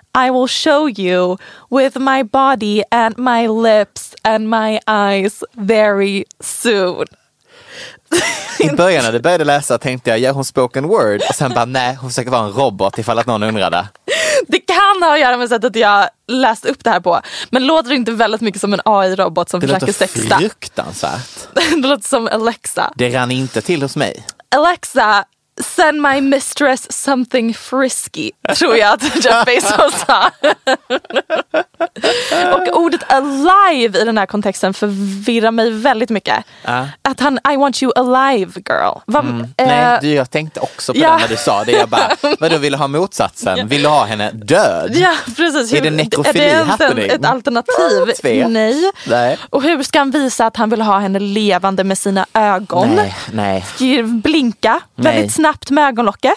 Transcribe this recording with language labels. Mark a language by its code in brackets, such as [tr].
[en] I will show you with my body and my lips and my eyes very soon. [sv] I början när du började läsa tänkte jag, gör hon spoken word? Och sen bara, nej, hon försöker vara en robot ifall att någon undrade. Det kan ha att göra med sättet jag läste upp det här på. Men låter inte väldigt mycket som en AI-robot som det försöker sexta? Det låter fruktansvärt. Det låter som Alexa. Det rann inte till hos mig. [en] Alexa, send my mistress something frisky, [sv] tror jag att Jeff Bezos sa. Och ordet alive i den här kontexten förvirrar mig väldigt mycket. Att han, [en] I want you alive, girl. [sv] Nej, jag tänkte också på det när du sa det. Jag bara, vad du vill ha motsatsen? Vill du ha henne död? Ja, precis. Är det nekrofili happening? Är det ett alternativ? Nej. Och hur ska han visa att han vill ha henne levande med sina ögon? Nej. Blinka väldigt snabbt med ögonlocket.